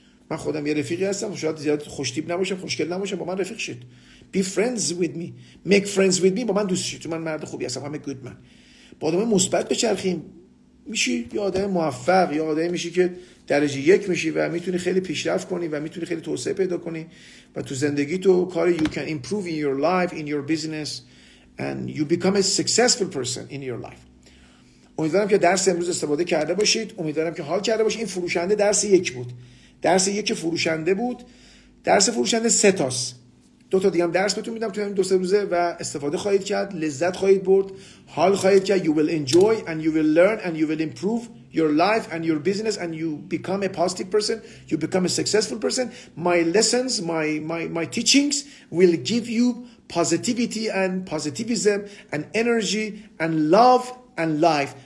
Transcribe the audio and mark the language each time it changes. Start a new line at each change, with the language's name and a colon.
Persian: من خودم یه رفیقی هستم، شاید زیاد خوشتیب نباشم، خوشگل نباشم، با من رفیق شید.
English: Be friends with me. Make friends with me.
Persian: با من دوست شید. من مرد خوبی هستم.
English: I'm a good man.
Persian: با آدم های مثبت بچرخیم میشی یه آدم موفق، یه آدمی میشی که درجه یک میشی و میتونی خیلی پیشرفت کنی و میتونی خیلی توسعه پیدا کنی و تو زندگی تو کار.
English: You can improve in your life, in your business. And you become a successful person in your life.
Persian: امیدوارم که درس امروز استفاده کرده باشید. امیدوارم که حال کرده باشید. این فروشنده درس یک بود. درس یک فروشنده بود. درس فروشنده سه تاست. دو تا دیگه هم درس بهتون میدم توی این دو سه روزه و استفاده خواهید کرد. لذت خواهید برد. حال خواهید کرد.
English: You will enjoy and you will learn and you will improve your life and your business and you become a positive person. You become a successful person. My lessons, my teachings will give you positivity and positivism and energy and love and life.